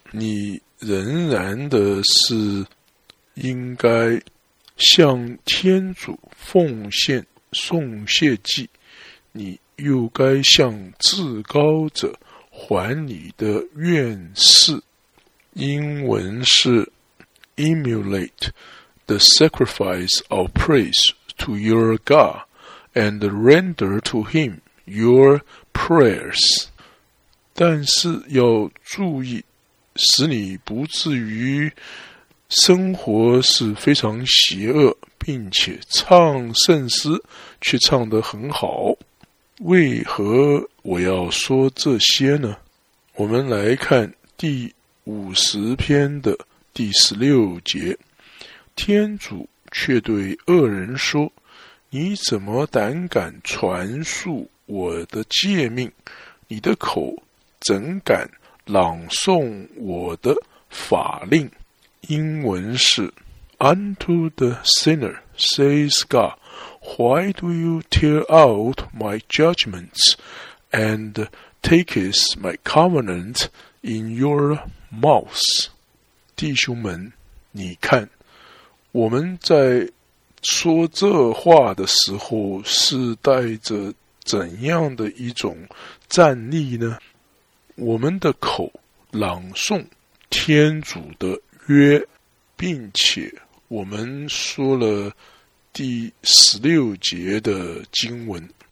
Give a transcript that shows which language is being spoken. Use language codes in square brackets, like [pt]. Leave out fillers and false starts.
[zh] 你仍然的是应该向天主奉献送谢祭，你又该向至高者还你的愿事。英文是 [en] Emulate the sacrifice of praise to your God and render to him your prayers. [zh] 但是要注意，使你不至于生活是非常邪恶，并且唱圣诗却唱得很好。为何我要说这些呢？我们来看第50篇的第16节，天主却对恶人说，你怎么胆敢传述我的诫命？你的口怎敢朗诵我的法令？英文是 [en] Unto the sinner says God, why do you tear out my judgments and take my covenant in your mouth? [zh] 弟兄们，你看，我们在说这话的时候是带着怎样的一种站立呢？我们的口朗诵天主的约，并且我们说了第16节的经文，